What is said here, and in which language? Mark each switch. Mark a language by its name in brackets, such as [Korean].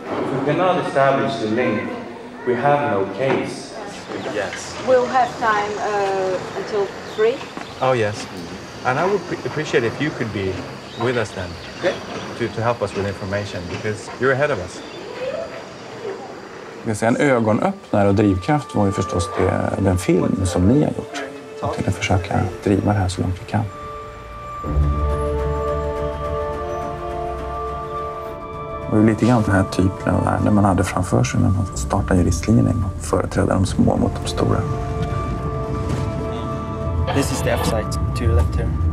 [English] If we cannot establish the link, we have no case. Yes. We'll have time until 3. Oh, yes. And I would appreciate if you could be with us then, to help us with information, because you're ahead of us. [Swedish] En ögonöppnare och drivkraft var ju förstås den film som ni har gjort. Och till att försöka driva det här så långt vi kan. Det var ju lite grann den här typen av värde man hade framför sig när man startade juristlinjen och företrädde de små mot de stora. [English] This is the F-site to your left here.